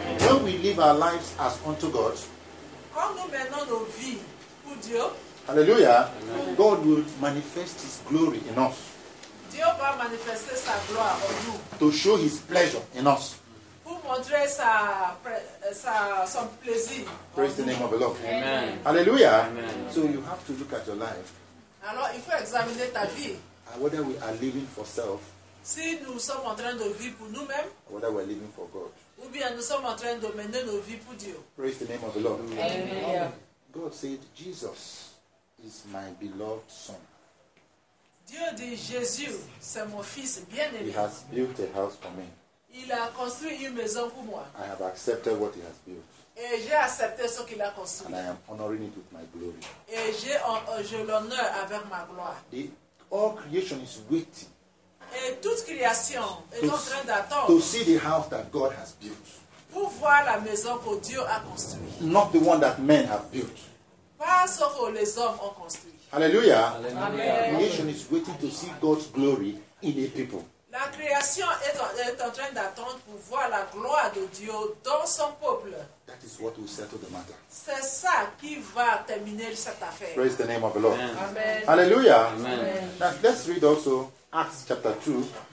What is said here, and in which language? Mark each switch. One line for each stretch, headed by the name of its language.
English: When we live our lives as unto God, hallelujah, God will manifest his glory in us.
French: Dieu va manifester sa gloire en nous.
English: To show his pleasure in us.
French: Pour montrer son plaisir.
English: Praise the name of the Lord. Amen. Hallelujah. Amen. So you have to look at your life.
French: Alors, il faut examiner ta vie.
English: Whether we are living for self,
French: si nous sommes en train de vivre pour nous-mêmes,
English: whether we're living for God,
French: ou bien nous sommes en train de mener nos vies pour Dieu.
English: Praise the name of the Lord. Amen. Amen. God said, Jesus is my beloved son.
French: Dieu dit, Jésus, c'est mon fils bien-aimé.
English: He has built a house for me.
French: Il a construit une maison pour moi.
English: I have accepted what he has built.
French: Et j'ai accepté ce qu'il a construit.
English: And I am honoring it with my glory.
French: Et je l'honore avec ma gloire.
English: All creation is waiting.
French: Et toute création est en train d'attendre.
English: To see the house that God has built.
French: Pour voir la maison que Dieu a construite.
English: Not the one that men have built.
French: Pas ce que les hommes ont construit.
English: Hallelujah. Amen. Creation is waiting to see God's glory in a people.
French: La création est en train d'attendre pour voir la gloire de Dieu dans son peuple.
English: That is what will settle the matter.
French: C'est ça qui va terminer cette affaire.
English: Praise the name of the Lord. Amen. Hallelujah. Amen. Now, let's read also Acts chapter 2.